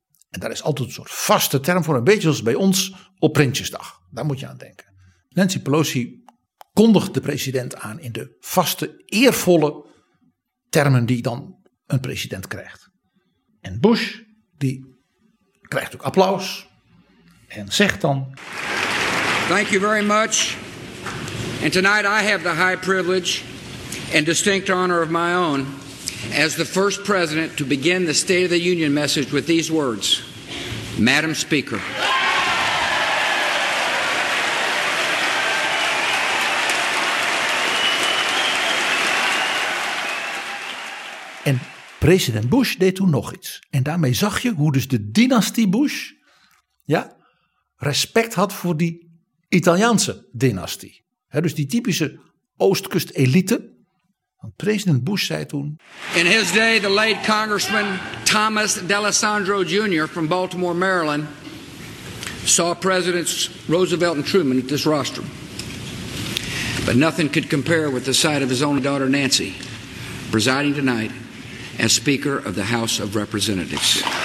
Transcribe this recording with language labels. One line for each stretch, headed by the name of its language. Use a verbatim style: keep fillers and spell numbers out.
Dutch: En daar is altijd een soort vaste term voor. Een beetje zoals bij ons op Prinsjesdag. Daar moet je aan denken. Nancy Pelosi kondigt de president aan in de vaste, eervolle termen die dan een president krijgt. En Bush, die krijgt ook applaus en zegt dan:
English: Thank you very much. And tonight I have the high privilege and distinct honor of my own as the first president to begin the State of the Union message with these words. Madam Speaker.
Dutch: En president Bush deed toen nog iets. En daarmee zag je hoe dus de dynastie Bush ja, respect had voor die Italiaanse dynastie. He, dus die typische Oostkust-elite. Want president Bush zei toen:
English: In his day, the late Congressman Thomas D'Alessandro junior from Baltimore, Maryland, saw presidents Roosevelt and Truman at this rostrum. But nothing could compare with the sight of his only daughter Nancy, presiding tonight as Speaker of the House of Representatives.